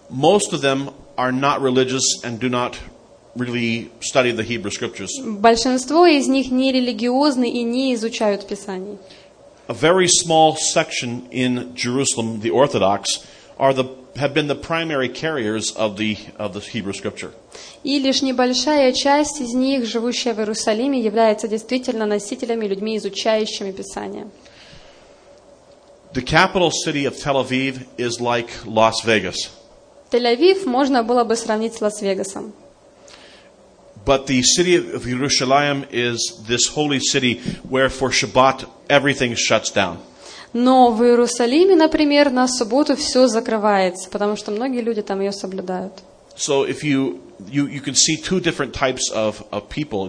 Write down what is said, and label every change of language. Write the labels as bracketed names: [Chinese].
[English] Most of them are not religious and do not really study the Hebrew scriptures. [Russian] Большинство из них не религиозны и не изучают Писание. [English] A very small section in Jerusalem, the Orthodox, have been the primary carriers of the Hebrew scripture. [Russian] И лишь небольшая часть из них, живущая в Иерусалиме, является действительно носителями, людьми, изучающими Писание. [English] The capital city of Tel Aviv is like Las Vegas. [Russian] Тель-Авив можно было бы сравнить с Лас-Вегасом. [English] But the city of Jerusalem is this holy city where for Shabbat everything shuts down. [Russian] Но в Иерусалиме, например, на субботу все закрывается, потому что многие люди там ее соблюдают. [English] So if you can see two different types of people.